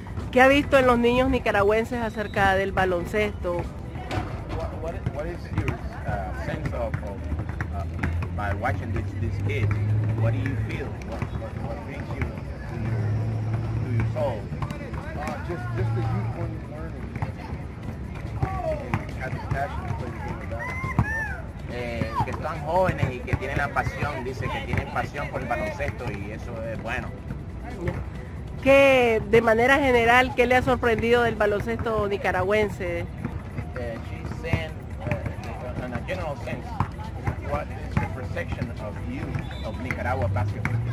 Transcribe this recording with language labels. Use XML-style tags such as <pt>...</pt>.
<es>¿Qué ha visto en los niños nicaragüenses acerca del baloncesto?</es> <en>What is your sense of by watching these kids? What do you feel? What brings you to your soul? Just the youth one learning and have the passion to play the game of basketball.</en> <es>Que están jóvenes y que tienen la pasión, dice que tienen pasión por el baloncesto y eso es bueno. ¿Qué, de manera general, qué le ha sorprendido del baloncesto nicaragüense?</es> <en>She's saying, in a general sense, what is the perception of you of Nicaragua basketball?</en>